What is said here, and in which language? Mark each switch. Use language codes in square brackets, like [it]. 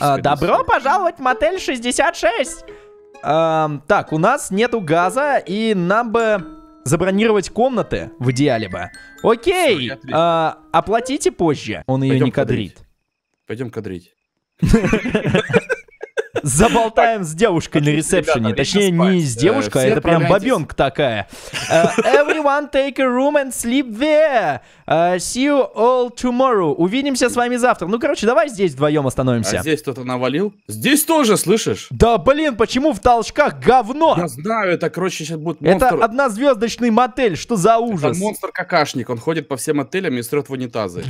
[ru] Добро пожаловать в мотель 66. Так, у нас нету газа, и нам бы забронировать комнаты в идеале бы. Окей, оплатите позже. Он ее не кадрит. Пойдем кадрить. Заболтаем так, с девушкой на ресепшене. Ребята, точнее, не с девушкой, а это прям бабёнка такая. [en] Everyone take a room and sleep there. See you all tomorrow. [ru] Увидимся с вами завтра. Ну, короче, давай здесь вдвоем остановимся. А здесь кто-то навалил? Здесь тоже, слышишь? Да, блин, почему в толчках говно? Я знаю, это, короче, сейчас будет монстр. Это однозвездочный мотель, что за ужас? Это монстр-какашник, он ходит по всем отелям и срёт в унитазы.